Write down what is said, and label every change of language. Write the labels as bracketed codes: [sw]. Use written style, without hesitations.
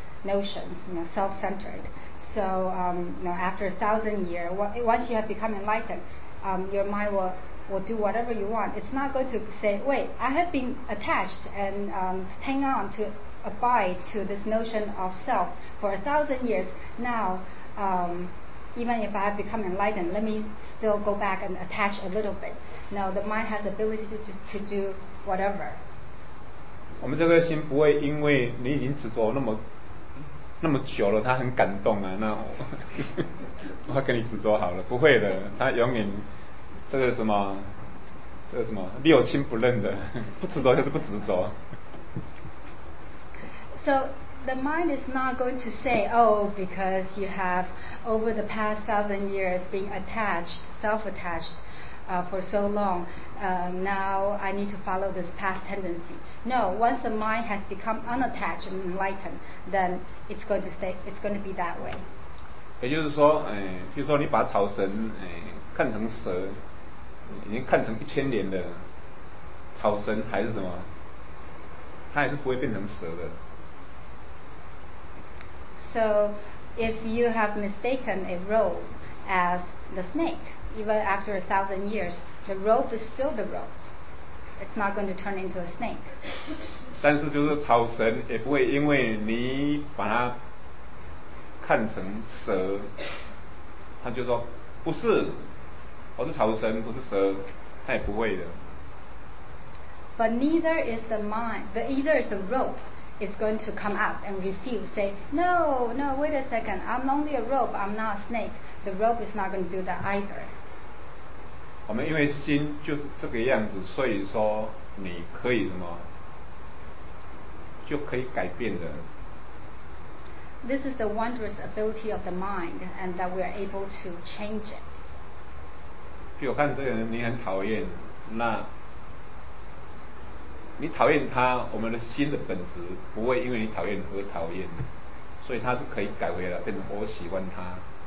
[en] Notions, you know, self-centered. So, you know, after 1,000 years, once you have become enlightened, your mind will do whatever you want. It's not going to say, "Wait, I have been attached and hang on to abide to this notion of self for 1,000 years. Now, even if I have become enlightened, let me still go back and attach a little bit. Now, the mind has ability to do whatever. [zh] 我们这个心不会因为你已经执着那么久了，他很感动啊，那我跟你执着好了，不会的，他永远这个什么。这是什么六亲不认的，不执着就是不执着。 [en] So the mind is not going to say, oh, because you have over the past 1,000 years been attached, self-attached, for so long, now I need to follow this past tendency. No, once the mind has become unattached and enlightened, then it's going to stay. It's going to be that way. [zh] 也就是说，比如说你把草绳，看成蛇。已经看成一千年的草神还是什么，它还是不会变成蛇的。 [en] So if you have mistaken a rope as the snake, even after 1,000 years, the rope is still the rope. It's not going to turn into a snake. [zh] 但是就是草神也不会因为你把它看成蛇，他就说不是。我是草神，不是蛇，他也不会的。 [en] But neither is the mind, the either is the rope, is going to come out and refuse, say, no, no, wait a second, I'm only a rope, I'm not a snake. The rope is not going to do that either. [zh] 我们因为心就是这个样子，所以说你可以什么，就可以改变的。 [en] This is the wondrous ability of the mind, and that we are able to change it. [zh] 比如看这个人你很讨厌，那你讨厌他，我们的心的本质不会因为你讨厌而讨厌，所以他是可以改回来变成我喜欢他。